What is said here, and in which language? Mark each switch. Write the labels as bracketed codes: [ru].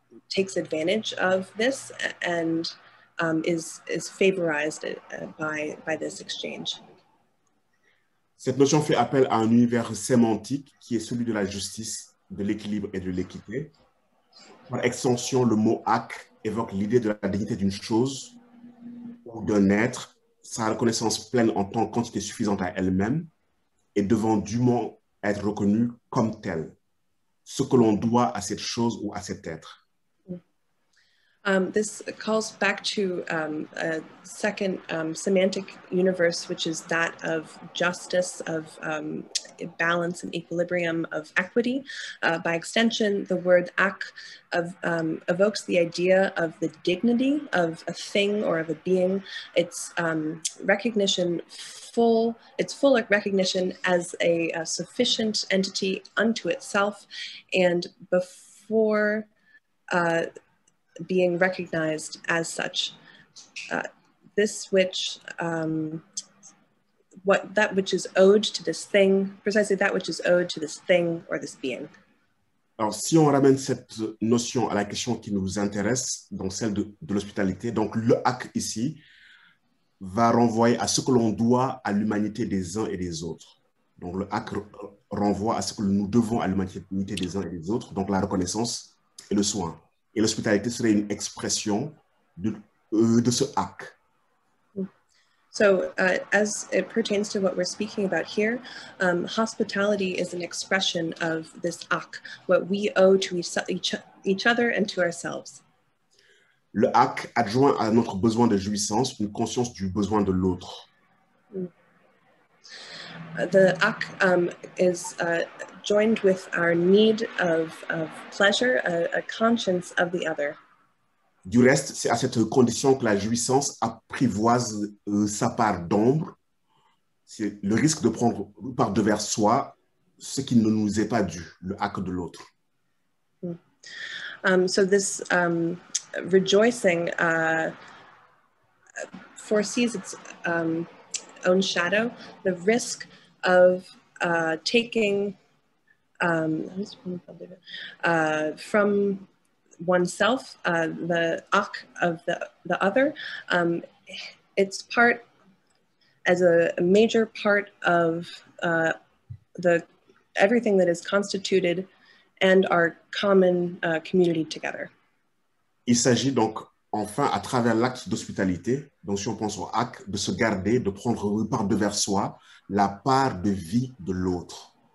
[en] takes advantage of this and is favorized by this exchange. [fr] Cette notion fait appel à un univers sémantique qui est celui de la justice, de l'équilibre et de l'équité. Par extension, le mot hack évoque l'idée de la dignité d'une chose ou d'un être, sa reconnaissance pleine en tant qu'entité suffisante à elle-même et devant dûment être reconnue comme telle, ce que l'on doit à cette chose ou à cet être. [en] This calls back to a second semantic universe, which is that of justice, of balance and equilibrium, of equity. By extension, the word ak evokes the idea of the dignity of a thing or of a being, its recognition, its full recognition as a sufficient entity unto itself, and before being recognized as such, that which is owed to this thing or this being. [fr] Alors, si on ramène cette notion à la question qui nous intéresse, donc celle de l'hospitalité, donc le hack ici va renvoyer à ce que l'on doit à l'humanité des uns et des autres. Donc le hack renvoie à ce que nous devons à l'humanité des uns et des autres, donc la reconnaissance et le soin. Et l'hospitalité serait une expression de ce hack. [en] So, as it pertains to what we're speaking about here, hospitality is an expression of this hack, what we owe to each other and to ourselves. [fr] Le hack adjoint à notre besoin de jouissance une conscience du besoin de l'autre. [en] The hack is joined with our need of pleasure, a conscience of the other. [fr] Du reste, c'est à cette condition que la jouissance apprivoise sa part d'ombre. C'est le risque de prendre part de vers soi ce qui ne nous est pas dû, le hack de l'autre. [en] So this rejoicing foresees its own shadow, the risk of taking from oneself the ak of the other. It's part as a major part of the everything that is constituted and our common community together. [fr] Il s'agit donc enfin à travers l'acte d'hospitalité, donc si on pense au hack, de se garder, de prendre part de vers soi la part de vie de l'autre.